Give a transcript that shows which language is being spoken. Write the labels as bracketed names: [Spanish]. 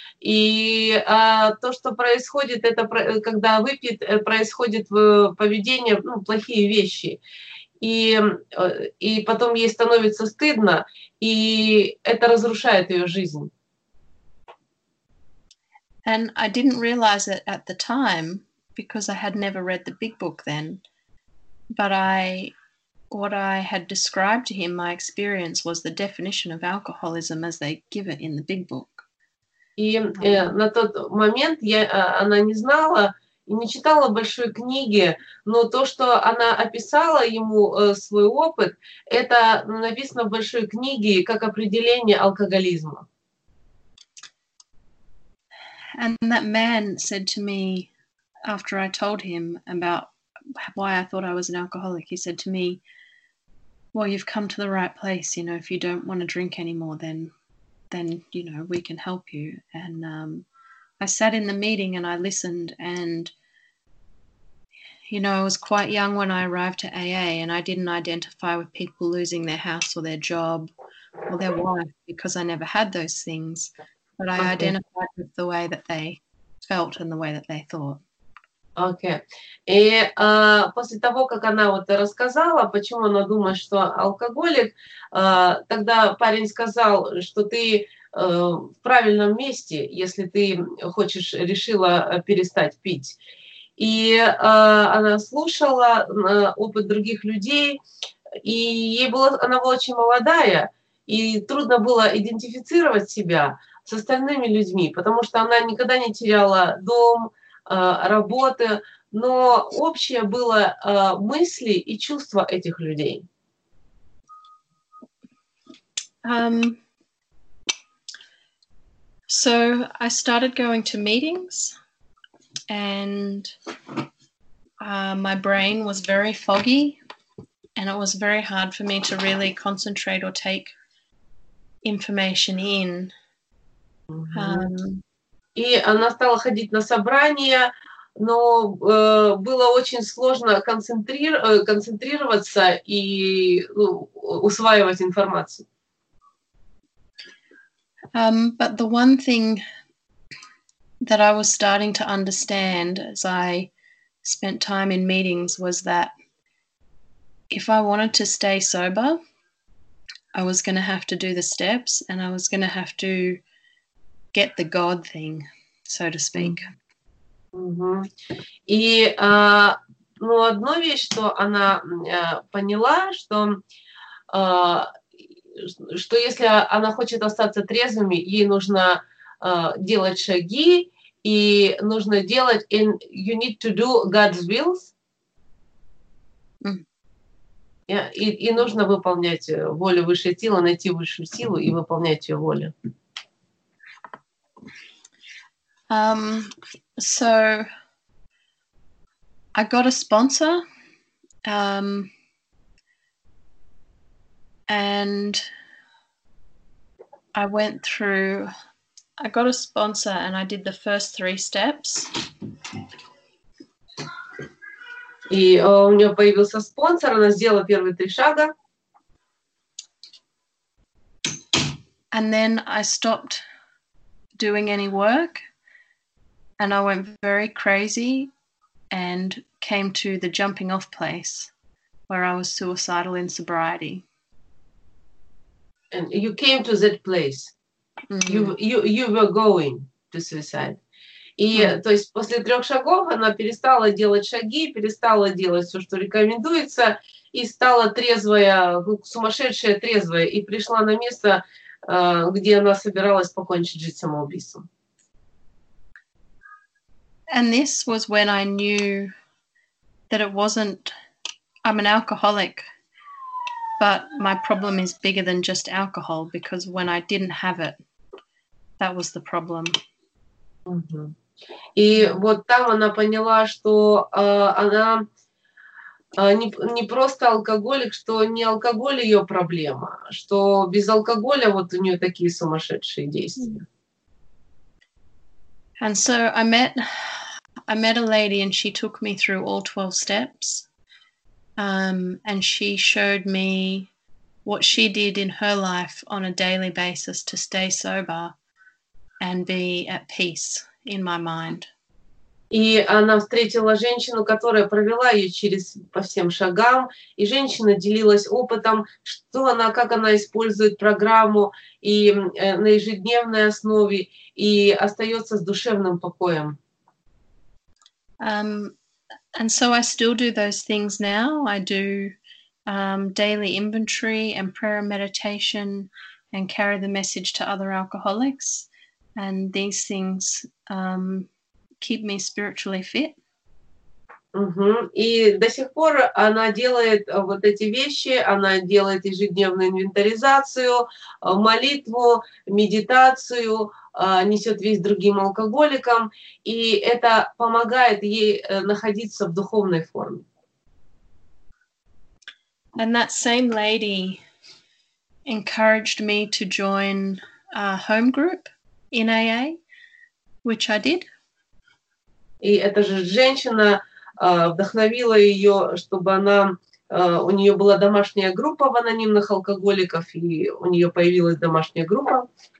[Russian] И то, что происходит, это когда выпьет, происходит поведение, ну, плохие вещи. И потом ей становится стыдно, и это разрушает ее жизнь. [English] And I didn't realize it at the time because I had never read the big book then. But what I had described to him, my experience, was the definition of alcoholism as they give it in the big book. [Russian] И на тот момент она не знала и не читала большой книги, но то, что она описала ему свой опыт, это написано в большой книге как определение алкоголизма. [English] And that man said to me, after I told him about why I thought I was an alcoholic, he said to me, "Well, you've come to the right place. You know, if you don't want to drink anymore, then you know, we can help you." And I sat in the meeting and I listened, and, you know, I was quite young when I arrived to AA, and I didn't identify with people losing their house or their job or their wife because I never had those things. But I identified with the way that they felt and the way that they thought. Okay. [Russian] И после того, как она вот рассказала, почему она думает, что алкоголик, тогда парень сказал, что ты в правильном месте, если ты хочешь, решила перестать пить. И она слушала опыт других людей, и она была очень молодая, и трудно было идентифицировать себя с остальными людьми, потому что она никогда не теряла дом, работы, но общее было мысли и чувства этих людей. [English] So I started going to meetings, and my brain was very foggy, and it was very hard for me to really concentrate or take information in. [Russian] И она стала ходить на собрания, но было очень сложно концентрироваться и усваивать информацию. [English] But the one thing that I was starting to understand as I spent time in meetings was that if I wanted to stay sober, I was going to have to do the steps, and I was going to have to get the God thing, so to speak. [Russian] И одно вещь, что она поняла, что если она хочет остаться трезвыми, ей нужно делать шаги, и нужно делать, [English] and you need to do God's wills. [Russian] И нужно выполнять волю высшей силы, найти высшую силу и выполнять ее волю. [English] So I got a sponsor, and I went through, I got a sponsor and I did the first three steps. [Russian] И у нее появился спонсор, она сделала первые три шага. [English] And then I stopped doing any work and I went very crazy and came to the jumping off place where I was suicidal in sobriety. And you came to that place. Mm-hmm. You were going to suicide. [Russian] И, то есть, после трех шагов она перестала делать шаги, перестала делать все, что рекомендуется, и стала трезвая, сумасшедшая трезвая, и пришла на место, где она собиралась покончить жизнь самоубийством. [English] And this was when I knew that it wasn't, I'm an alcoholic, but my problem is bigger than just alcohol, because when I didn't have it, that was the problem. Mm-hmm. [Russian] И вот там она поняла, что она не просто алкоголик, что не алкоголь ее проблема, что без алкоголя вот у нее такие сумасшедшие действия. [English] And so I met a lady and she took me through all 12 steps. And she showed me what she did in her life on a daily basis to stay sober and be at peace. In my mind. [Russian] И она встретила женщину, которая провела ее через по всем шагам, и женщина делилась опытом, что она, как она использует программу и на ежедневной основе и остается с душевным покоем. [English] And so I still do those things now. I do daily inventory and prayer and meditation and carry the message to other alcoholics. And these things keep me spiritually fit. Mm-hmm. [Russian] И до сих пор она делает вот эти вещи, она делает ежедневную инвентаризацию, молитву, медитацию, несет весть другим алкоголикам, и это помогает ей находиться в духовной форме. [English] And that same lady encouraged me to join a home group. In AA, which I did. [Russian] И эта же женщина вдохновила ее, чтобы она у нее была домашняя группа в анонимных алкоголиков, и у нее появилась домашняя группа.